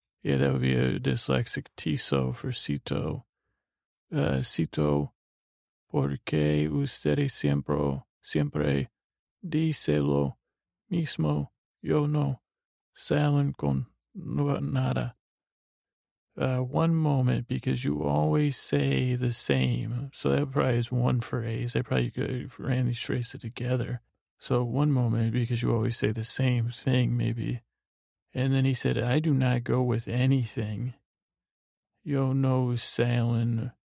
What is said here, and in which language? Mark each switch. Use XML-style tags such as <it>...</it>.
<en>Yeah, that would be a dyslexic tiso for cito.</en> <es>Cito, porque usted siempre dice lo mismo, yo no salen con nada.</es> <en>One moment, because you always say the same. So that probably is one phrase. I probably could have ran these phrases together. So one moment, because you always say the same thing, maybe. And then he said, I do not go with anything.</en> <es>Yo no salen.</es>